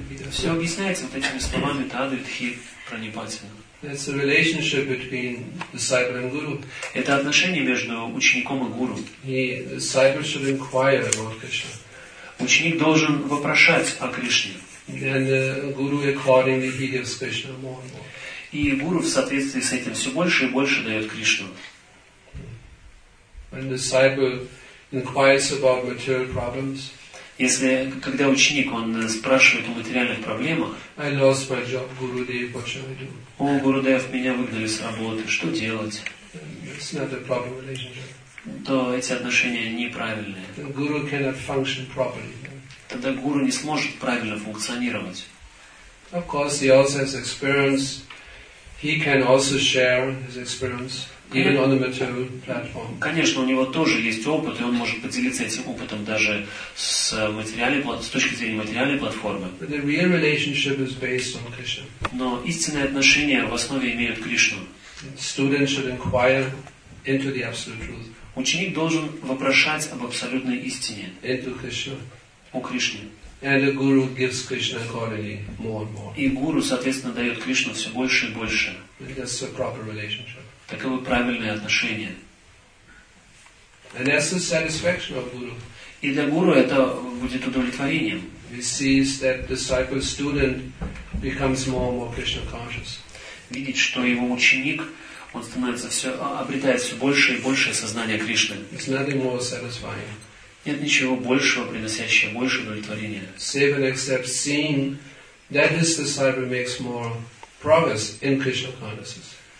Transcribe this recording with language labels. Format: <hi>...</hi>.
<ru>Все объясняется вот этими словами Тадвитхи Пранипатина.</ru> <en>It's a relationship between disciple and guru.</en> <ru>Это отношение между учеником и гуру.</ru> <en>Disciple should inquire about Krishna.</en> <ru>Ученик должен вопрошать о Кришне.</ru> <en>And guru accordingly he gives Krishna more and more.</en> <ru>И гуру в соответствии с этим все больше и больше дает Кришну.</ru> <en>When disciple inquires about material problems.</en> <ru>Если, когда ученик, он спрашивает о материальных проблемах,</ru> <en>I lost my job, Gurudev, what should I do?</en> <ru>О, Гурудев, меня выгнали с работы, что делать?</ru> <en>It's not a proper relationship.</en> <ru>То эти отношения неправильные.</ru> <en>The guru cannot function properly.</en> <ru>Тогда гуру не сможет правильно функционировать.</ru> <en>Of course, he also has experience. He can also share his experience. Even on the material platform.</en> <ru>Конечно, у него тоже есть опыт, и он может поделиться этим опытом даже с материальной, с точки зрения материальной платформы.</ru> <en>But the real relationship is based on Krishna.</en> <ru>Но истинные отношения в основе имеют Кришну.</ru> <en>Student should inquire into the absolute truth.</en> <ru>Ученик должен вопрошать об абсолютной истине.</ru> <en>Into Krishna.</en> <ru>О Кришне.</ru> <en>And the guru gives Krishna accordingly more and more.</en> <ru>И гуру, соответственно, дает Кришну все больше и больше.</ru> <en>That's a proper relationship.</en> <ru>Таковы правильные отношения.</ru> <en>And that's the satisfaction of guru.</en> <ru>И для гуру это будет удовлетворением.</ru> <en>He sees that disciple student becomes more and more Krishna conscious.</en> <ru>Видит, что его ученик, он становится все, обретает все больше и больше сознания Кришны.</ru> <en>It's nothing more satisfying.</en> <ru>Нет ничего большего, приносящего больше удовлетворения.</ru> <en>Seven accepts seeing that his disciple makes more progress in Krishna consciousness.</en>